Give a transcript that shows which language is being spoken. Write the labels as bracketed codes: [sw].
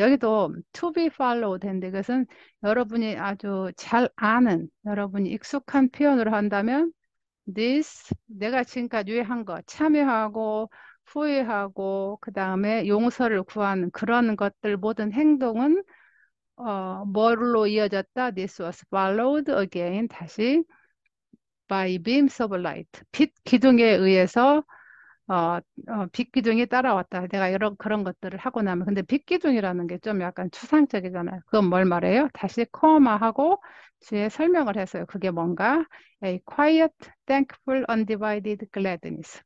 [ko] 여기도 [en] to be followed [ko] 했는데 이것은 여러분이 아주 잘 아는, 여러분이 익숙한 표현으로 한다면 this, 내가 지금까지 한 거, 참여하고 후회하고 그다음에 용서를 구하는 그런 것들 모든 행동은 뭘로 이어졌다? [en] This was followed again, 다시 by beams of light. [ko] 빛 기둥에 의해서 빛 기둥이 따라왔다. 내가 이런 그런 것들을 하고 나면, 근데 빛 기둥이라는 게좀 약간 추상적이잖아요. 그건 뭘 말해요? 다시 코마하고 뒤에 설명을 했어요. 그게 뭔가? [en] A quiet, thankful, undivided gladness.